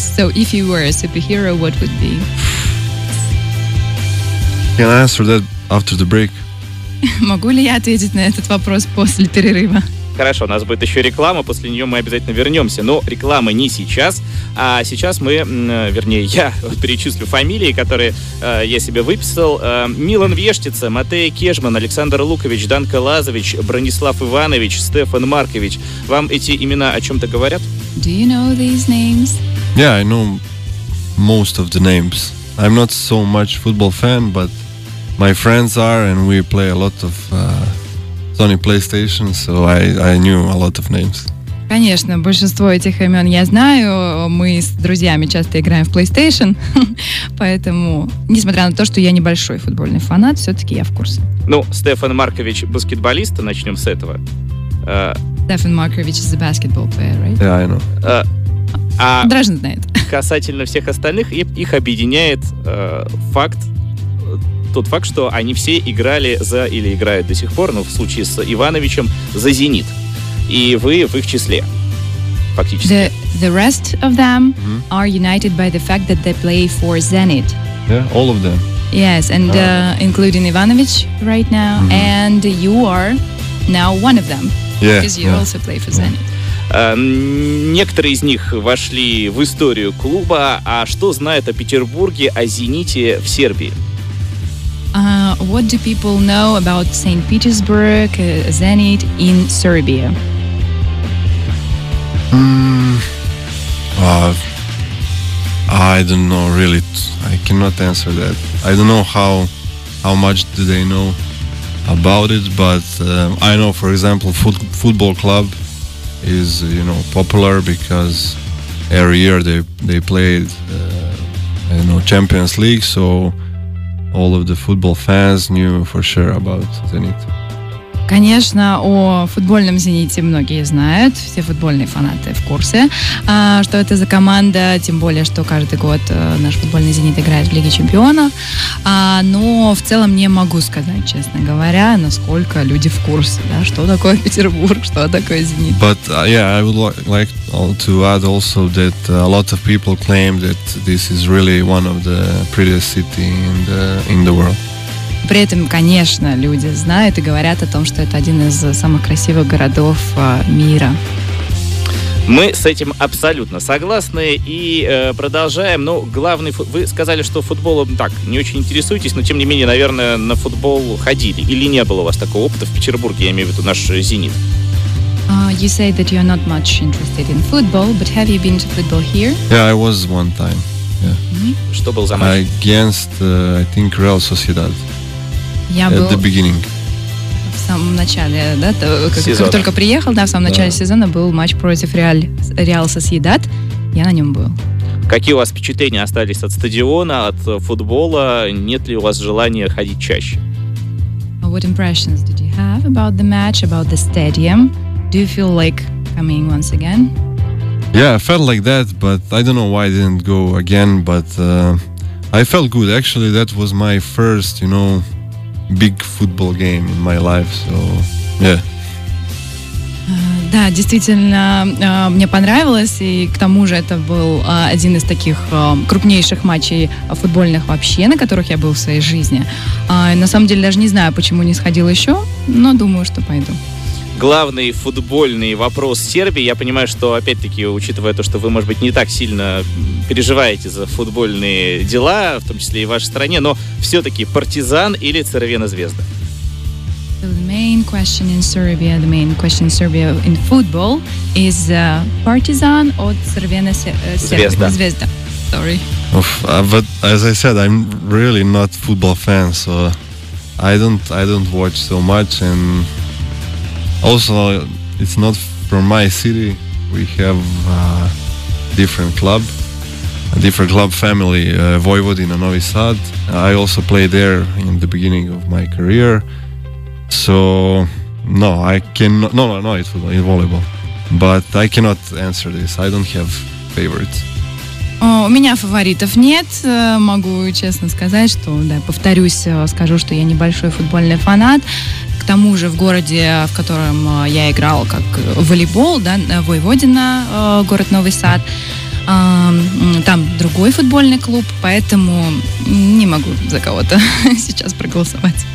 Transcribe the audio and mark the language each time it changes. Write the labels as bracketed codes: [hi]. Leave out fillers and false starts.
[en] So if you were a superhero, what would be? Can I answer that after the break? [ru] Могу ли я ответить на этот вопрос после перерыва? Хорошо, у нас будет еще реклама, после нее мы обязательно вернемся. Но реклама не сейчас, а сейчас мы, вернее, я перечислю фамилии, которые я себе выписал. Милан Вештица, Матея Кежман, Александр Лукович, Данко Лазович, Бронислав Иванович, Стефан Маркович. Вам эти имена о чем-то говорят? [en] Do you know these names? Yeah, I know most of the names. I'm not so much football fan, but my friends are, and we play a lot of... Sony PlayStation, so I knew a lot of names. [ru] Конечно, большинство этих имен я знаю. Мы с друзьями часто играем в PlayStation, поэтому, несмотря на то, что я небольшой футбольный фанат, все-таки я в курсе. Ну, Стефан Маркович баскетболист, начнем с этого. [en] Стефан Маркович is a basketball player, right? Yeah, I know. [ru] Дрожжин знает. Касательно всех остальных, их объединяет факт, тот факт, что они все играли за или играют до сих пор, но в случае с Ивановичем, за «Зенит». И вы в их числе, фактически. [en] The rest of them are united by the fact that they play for «Зенит». Yeah, all of them. Yes, and including Иванович right now, mm-hmm. and you are now one of them, yeah, because you also play for «Зенит». [ru] Некоторые из них вошли в историю клуба, а что знают о Петербурге, о «Зените» в Сербии? [en] What do people know about St. Petersburg, Zenit in Serbia? I don't know really. I cannot answer that. I don't know how much do they know about it, but I know, for example, football club is, you know, popular because every year they played Champions League, so all of the football fans knew for sure about Zenit. [ru] Конечно, о футбольном «Зените» многие знают, все футбольные фанаты в курсе, что это за команда, тем более, что каждый год наш футбольный «Зенит» играет в Лиге Чемпионов. Но в целом не могу сказать, честно говоря, насколько люди в курсе, да, что такое Петербург, что такое «Зенит». [en] But yeah, I would like to add also that a lot of people claim that this is really one of the prettiest city in the world. [ru] При этом, конечно, люди знают и говорят о том, что это один из самых красивых городов мира. Мы с этим абсолютно согласны и продолжаем. Ну, главный, вы сказали, что футболом так не очень интересуетесь, но тем не менее, наверное, на футбол ходили. Или не было у вас такого опыта в Петербурге, я имею в виду наш «Зенит». [en] You say that you're not much interested in football, but have you been to football here? Yeah, I was one time. Yeah. [ru] Mm-hmm. Что был за матч? [en] Against, I think, Real Sociedad. [ru] Я [en] at the beginning. [ru] В самом начале, да, то, как только приехал, да, в самом начале сезона был матч против Реал Сосьедад. Я на нем был. Какие у вас впечатления остались от стадиона, от футбола? Нет ли у вас желания ходить чаще? [en] What impressions did you have about the match, about the stadium? Do you feel like coming once again? Yeah, I felt like that, but I don't know why I didn't go again, but I felt good. Actually, that was my first, you know, big football game in my life, so, yeah. [ru] Да, действительно, мне понравилось, и к тому же это был один из таких крупнейших матчей футбольных вообще, на которых я был в своей жизни. На самом деле, даже не знаю, почему не сходил еще, но думаю, что пойду. Главный футбольный вопрос Сербии. Я понимаю, что, опять-таки, учитывая то, что вы, может быть, не так сильно переживаете за футбольные дела, в том числе и в вашей стране, но все-таки «Партизан» или «Цервена Звезда»? [en] So the main question in Serbia, the main question in Serbia in football is Partizan or Crvena Zvezda. Sorry. Oof, but as I said, I'm really not football fan, so I don't watch so much, and also it's not from my city. We have a different club family, Vojvodina Novi Sad. I also played there in the beginning of my career. So, no, I cannot. No, it's football, it's volleyball. But I cannot answer this. I don't have favorites. [ru] У меня фаворитов нет. Могу честно сказать, что, да, повторюсь, скажу, что я небольшой футбольный фанат. К тому же в городе, в котором я играл как волейбол, да, Войводина, город Новый Сад, там другой футбольный клуб, поэтому не могу за кого-то сейчас проголосовать.